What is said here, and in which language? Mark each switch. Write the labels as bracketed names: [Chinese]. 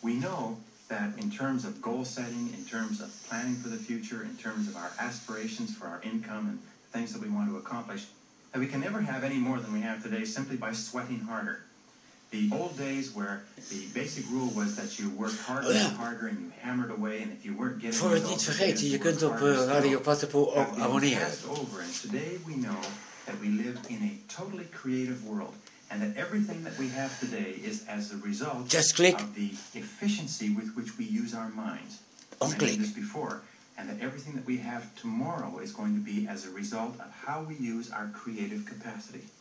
[English] We know that in terms of goal setting, in terms of planning for the future, in terms of our aspirations for our income and things that we want to accomplish, that we can never have any more than we have today simply by sweating harder. The old days where the basic rule was that you worked harder and harder and you hammered away, and if you weren't getting [Dutch] voor het niet vergeten, je kunt op Radio Paterpoel ook abonneren. [English] And today we know that we live in a totally creative world. And that everything that we have today is as a result of the efficiency with which we use our minds. Unclick. And that everything that we have tomorrow is going to be as a result of how we use our creative capacity.